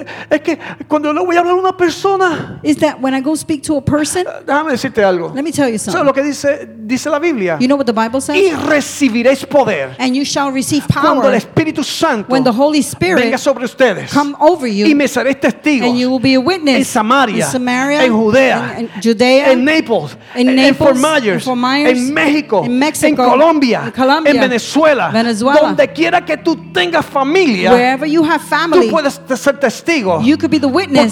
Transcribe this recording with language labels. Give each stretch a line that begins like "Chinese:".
Spanish: Es que cuando le voy a hablar a una persona.
English: Is that when I go speak to a person?
Spanish: Déjame decirte algo.
English: Let me tell you something.
Spanish: ¿Sabes lo que dice la Biblia?
English: You know what the Bible says?
Spanish: Y recibiréis poder.
English: And you shall receive power.
Spanish: Cuando el Espíritu Santo venga sobre ustedes.
English: Come over you.
Spanish: Y me seréis testigos.
English: And you will be a witness.
Spanish: En Samaria. Samaria,
English: in Samaria,
Spanish: en Judea,
English: in Judea,
Spanish: en Naples,
English: in Naples,
Spanish: en México,
English: in Mexico,
Spanish: en Colombia,
English: in Colombia,
Spanish: en Venezuela,
English: Venezuela,
Spanish: donde quiera que tú tengas familia,
English: wherever you have family,
Spanish: tú puedes ser testigo,
English: you could be the witness,